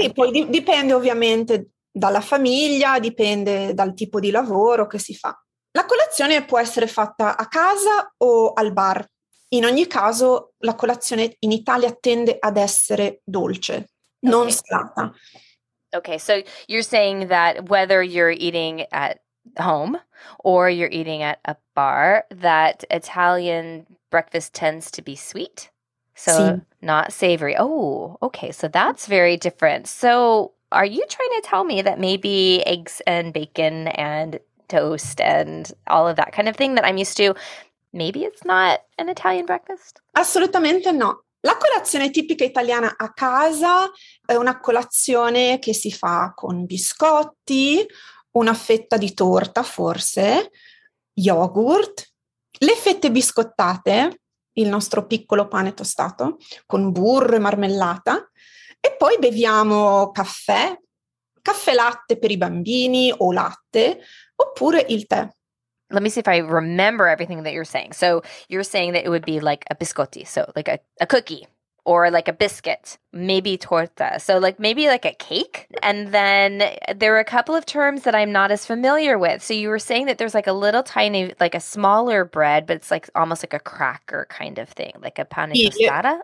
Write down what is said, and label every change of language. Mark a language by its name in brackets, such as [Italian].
[Italian] Sì, poi dipende ovviamente dalla famiglia, dipende dal tipo di lavoro che si fa. La colazione può essere fatta a casa o al bar. In ogni caso, la colazione in Italia tende ad essere dolce, non salata. [English] Okay, so you're saying that whether you're eating at home or you're eating at a bar, that Italian breakfast tends to be sweet, so not savory. Oh, okay, so that's very different. So are you trying to tell me that maybe eggs and bacon and toast and all of that kind of thing that I'm used to, maybe it's not an Italian breakfast? [Italian] Assolutamente no. La colazione tipica italiana a casa è una colazione che si fa con biscotti, una fetta di torta forse, yogurt, le fette biscottate, il nostro piccolo pane tostato, con burro e marmellata, e poi beviamo caffè, caffè latte per i bambini o latte, oppure il tè. [English] Let me see if I remember everything that you're saying. So you're saying that it would be like a biscotti, so like a cookie or like a biscuit, maybe torta. So like maybe like a cake. And then there are a couple of terms that I'm not as familiar with. So you were saying that there's like a little tiny, like a smaller bread, but it's like almost like a cracker kind of thing, like a pane tostata.